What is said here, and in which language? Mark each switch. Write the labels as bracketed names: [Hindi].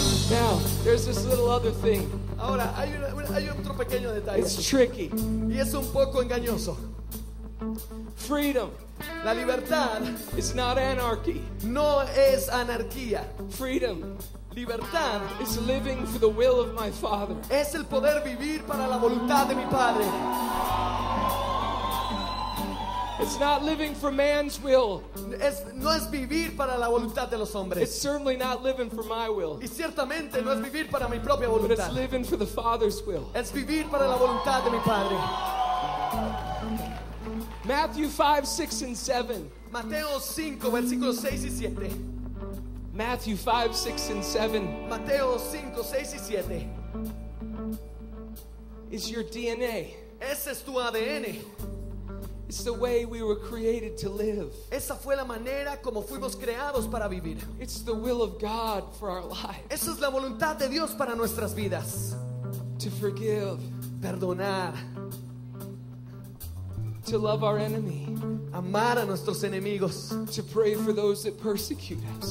[English] Now, there's this little other thing. [Spanish] Ahora hay otro pequeño detalle. [English] It's tricky. [Spanish] Y es un poco engañoso. [English] Freedom. [Spanish] La libertad. [English] It's not anarchy. [Spanish] No es anarquía. [English] Freedom. [Spanish] Libertad. [English] It's living for the will of my Father. [Spanish] Es el poder vivir para la voluntad de mi Padre. [English] It's not living for man's will. [Spanish] No es vivir para la voluntad de los hombres. [English] It's certainly not living for my will. [Spanish] Y ciertamente no es vivir para mi propia voluntad. [English] But it's living for the Father's will. [Spanish] Es vivir para la voluntad de mi Padre. [English] Matthew 5, 6, and 7. [Spanish] Mateo 5, versículos 6 y 7. [English] Matthew 5, 6, and 7. [Spanish] Mateo 5, 6 y 7. [English] Is your DNA. [Spanish] Ese es tu ADN. [English] It's the way we were created to live. [Spanish] Esa fue la manera como fuimos creados para vivir. [English] It's the will of God for our lives. [Spanish] Esa es la voluntad de Dios para nuestras vidas. [English] To forgive. [Spanish] Perdonar. [English] To love our enemy. [Spanish] Amar a nuestros enemigos. [English] To pray for those that persecute us.